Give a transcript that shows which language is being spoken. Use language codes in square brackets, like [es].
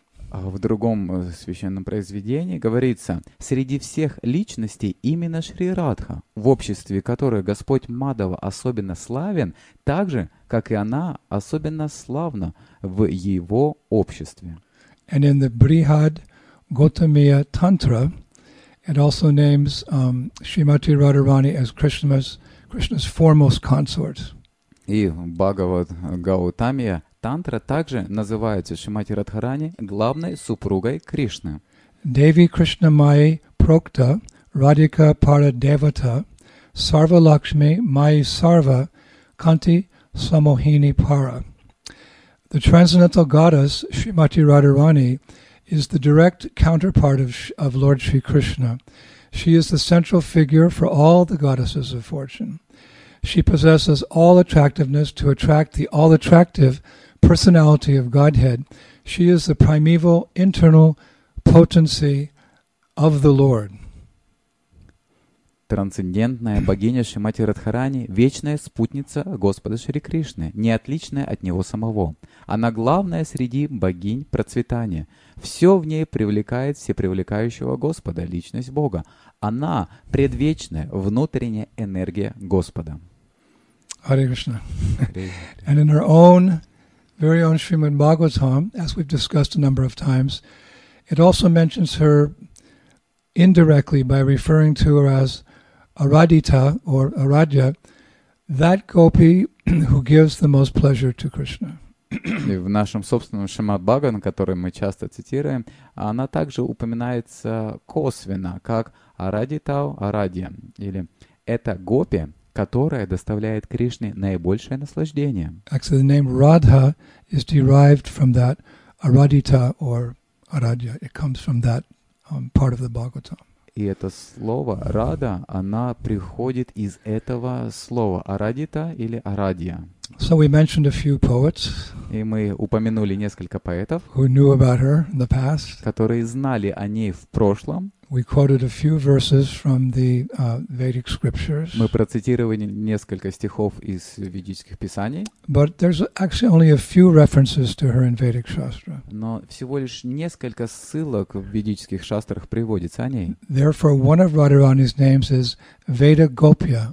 [ru] В другом священном произведении говорится, среди всех личностей именно Шри Радха, в обществе которой Господь Мадхава особенно славен, так же, как и она особенно славна в его обществе. [en] And in the Brihad Gotamiya Tantra, it also names Srimati Radharani as Krishna's foremost consort. [ru] И Бхагават Гаутамия Тантра также называется Шримати Радхарани главной супругой Кришны. [sa] Деви Кришна Майи Прокта Радика Пара Девата Сарва Лакшми Майи Сарва Канти Самохини Пара. [en] The transcendental goddess Srimati Radharani is the direct counterpart of Lord Sri Krishna. She is the central figure for all the goddesses of fortune. She possesses all attractiveness to attract the all-attractive personality of Godhead. She is the primeval internal potency of the Lord. [ru] трансцендентная богиня Шримати Радхарани, вечная спутница Господа Шри Кришны, не отличная от Него самого. Она главная среди богинь процветания. Все в ней привлекает всепривлекающего Господа, личность Бога. Она предвечная внутренняя энергия Господа. [en] Hare Krishna. And in her own, very own Srimad Bhagavatam, as we've discussed a number of times, it also mentions her indirectly by referring to her as Aradita or Aradya, that gopi who gives the most pleasure to Krishna. [ru] И в нашем собственном Шримад Бхагаватам, который мы часто цитируем, она также упоминается косвенно, как Aradita Aradya, или это гопи, которая доставляет Кришне наибольшее наслаждение. [en] Actually, the name Radha is derived from that Aradita or Aradya. It comes from that part of the Bhagavatam. [ru] И это слово Radha, она приходит из этого слова Aradita или Aradya. [en] So we mentioned a few poets. [ru] И мы упомянули несколько поэтов, [en] who knew about her in the past. [ru] Которые знали о ней в прошлом. [en] We quoted a few verses from the Vedic scriptures. [ru] Мы процитировали несколько стихов из ведических писаний. [en] But there's actually only a few references to her in Vedic shastra. [ru] Но всего лишь несколько ссылок в ведических шастрах приводится о ней. [en] Therefore, one of Radharani's names is Veda Gopya.